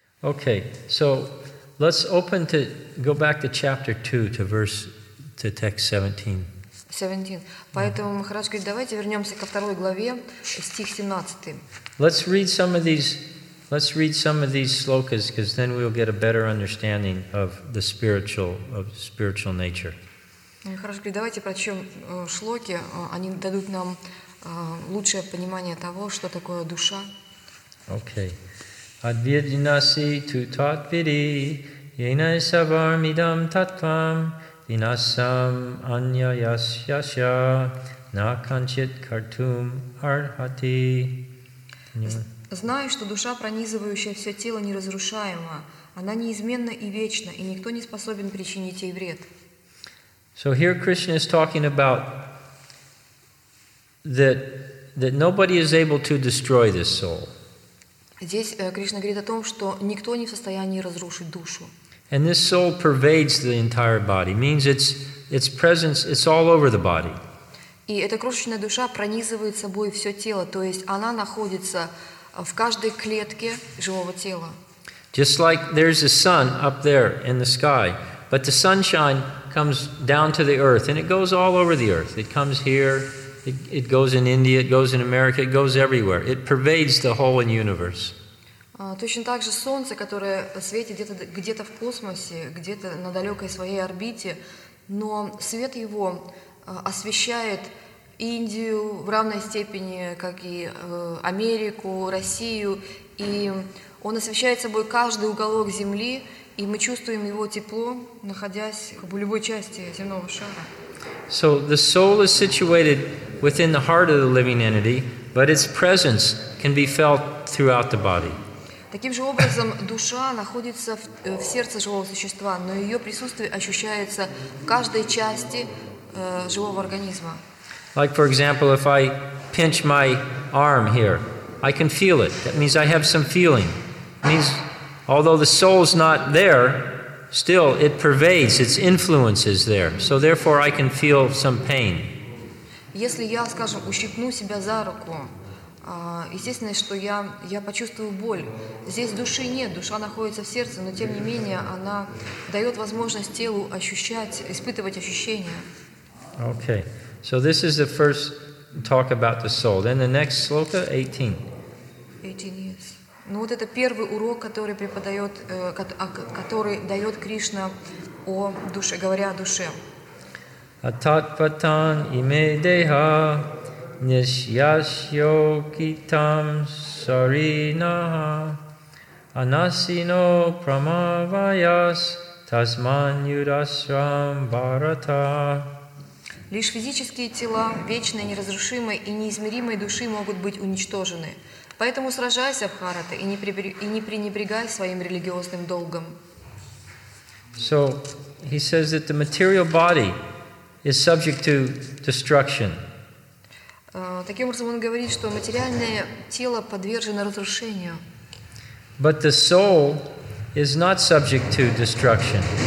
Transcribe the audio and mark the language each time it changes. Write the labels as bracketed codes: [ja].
[en] Okay, so let's open to go back to chapter 2 to verse to text 17. 17. [ru] Поэтому мы хорошо говорим, давайте вернемся ко второй главе, стих 17. [en] Let's read some of these. Let's read some of these slokas, because then we'll get a better understanding of the spiritual nature. [ru] Хорошо говорим, давайте прочтем шлоки. Они дадут нам лучшее понимание того, что такое душа. [sa] Okay. Advijnasi tu tat vidi yena sabarmidam tatvam vinasam anya yasya na kanchit kartum arhati. [ru] Знай, что душа, пронизывающая все тело, неразрушаема. Она неизменна и вечна, и никто не способен причинить ей вред. [en] So here Krishna is talking about that nobody is able to destroy this soul. [ru] Здесь Кришна говорит о том, что никто не в состоянии разрушить душу. [en] And this soul pervades the entire body. Means its presence, it's all over the body. [ru] И эта крошечная душа пронизывает собой все тело, то есть она находится в каждой клетке живого тела. [en] Just like there's a sun up there in the sky, but the sunshine comes down to the earth and it goes all over the earth. It comes here, it goes in India, it goes in America, it goes everywhere. It pervades the whole universe. [ru] Точно так же солнце, которое светит где-то в космосе, где-то на далекой своей орбите, но свет его освещает Индию в равной степени, как и Америку, Россию, и он освещает собой каждый уголок Земли, и мы чувствуем его тепло, находясь в любой части земного шара. [en] So the soul is situated within the heart of the living entity, but its presence can be felt throughout the body. [ru] Таким же образом душа находится в сердце живого существа, но ее присутствие ощущается в каждой части живого организма. [en] Like, for example, if I pinch my arm here, I can feel it. That means I have some feeling. It means, although the soul's not there, still it pervades, its influence is there. So therefore I can feel some pain. [ru] Если я, скажем, ущипну себя за руку, естественно, что я почувствую боль. Здесь души нет, душа находится в сердце, но тем не менее она дает возможность телу ощущать, испытывать ощущения. [en] Okay. So this is the first talk about the soul. Then the next sloka, 18. 18, yes. [ru] Ну вот это первый урок, который преподает, который дает Кришна о душе, говоря о душе. [sa] Ататпатан име деха нисьясьо китам саринаха анасино прамавайас тасман юдасрам барата. [ru] Лишь физические тела, вечной, неразрушимой и неизмеримой души могут быть уничтожены. Поэтому сражайся, Бхарата, и не пренебрегай своим религиозным долгом. [en] So, he says that the material body is subject to destruction. [ru] Таким образом, он говорит, что материальное тело подвержено разрушению. [en] But the soul is not subject to destruction.